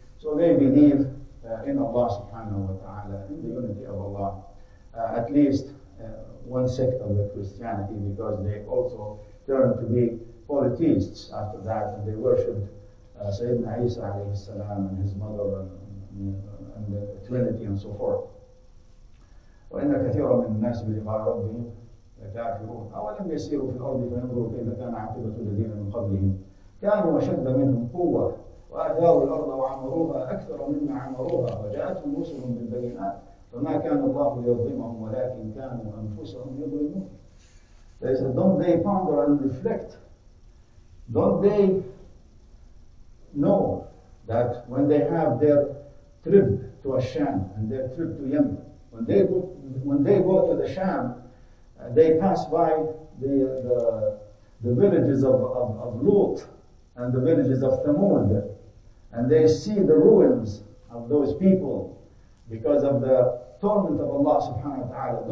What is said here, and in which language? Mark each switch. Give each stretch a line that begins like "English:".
English: So they believe in Allah subhanahu wa ta'ala, in the unity of Allah. At least one sect of the Christianity, because they also turned to be polytheists after that. And they worshipped Sayyidina Isa alayhi salam and his mother and and the Trinity and so forth.
Arabic: وإن كثيرا من الناس بيدفع ربهم كافرون أولم يسيروا في الأرض فينظروا كيف كان عاقبة الذين من قبلهم كانوا أشد منهم قوة وأثاروا الأرض وعمروها أكثر مما عمروها وجاءتهم رسلهم بالبينات فما كان الله ليظلمهم ولكن كانوا أنفسهم يظلمون.
English: They said, don't they ponder and reflect? Don't they know that when they have their trip to Asham and their trip to Yemen, when they go to the Sham, they pass by the villages of Lut and the villages of Thamud, and they see the ruins of those people because of the torment of Allah subhanahu wa ta'ala.